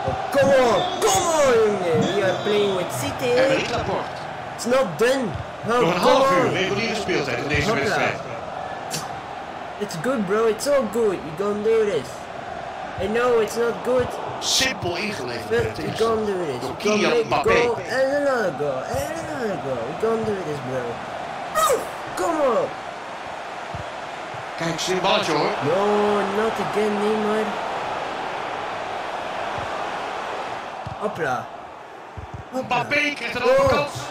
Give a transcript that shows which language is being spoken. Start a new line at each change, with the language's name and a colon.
English: Come on, jongen. We are playing with City.
Dutch: En Rick Laporte.
English: It's not done.
Dutch: Nog een half uur reguliere speeltijd in deze wedstrijd.
English: It's good, bro. It's all good. You gonna do this. I know it's not good.
Dutch: Simpel ingeleverd.
English: But you gonna do this. You gonna make a goal and another goal and another goal. You gonna do this, bro. Come on.
Dutch: Kijk, zijn balletje hoor.
English: No, not again, Neymar.
Dutch: Hopla. Mbappé krijgt een overkans.